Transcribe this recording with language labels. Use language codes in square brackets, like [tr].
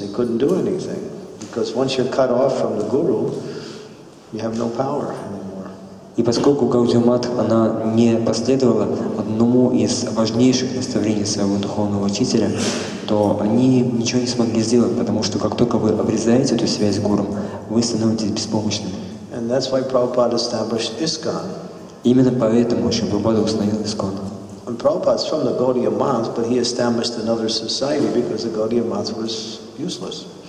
[en] They couldn't do anything. Because once you're cut off from the Guru, you have no power. [ru] И поскольку Гаудия Матх она не последовала одному из важнейших наставлений своего духовного учителя, то они ничего не смогли сделать, потому что как только вы обрезаете эту связь с гуру, вы становитесь беспомощными. [en] And that's why Prabhupada established ISKCON. [ru] Именно поэтому Шрила Прабхупада установил ISKCON. [en] And Prabhupada's from the Gaudiya Math, but he established another society because the Gaudiya Math was useless.